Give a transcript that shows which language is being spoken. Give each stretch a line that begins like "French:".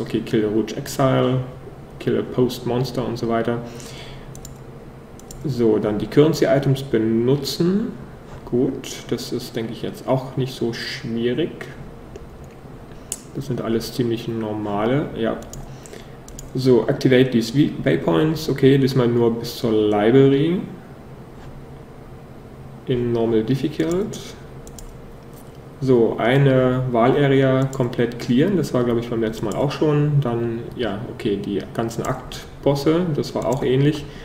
English: Okay, kill a Rouge Exile, kill a Post Monster
German: und so weiter. So, dann die Currency-Items benutzen. Gut, das ist, denke ich, jetzt auch nicht so schwierig. Das sind alles ziemlich normale, ja.
English: So, activate these Waypoints.
German: Okay, diesmal nur bis zur Library. In Normal Difficult. So, eine Wahl-Area komplett clearen. Das war, glaube ich, beim letzten Mal auch schon. Dann, ja, okay, die ganzen Akt-Bosse, das war auch ähnlich.